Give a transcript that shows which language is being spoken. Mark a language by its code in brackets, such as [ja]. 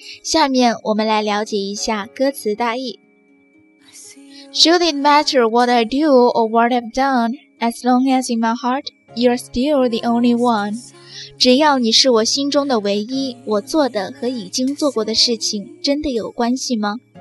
[zh] 下面我们来了解一下歌词大意。 [en] Should it matter what I do or what I've done, as long as in my heart, you're still the only one. [zh] 只要你是我心中的唯一，我做的和已经做过的事情真的有关系吗？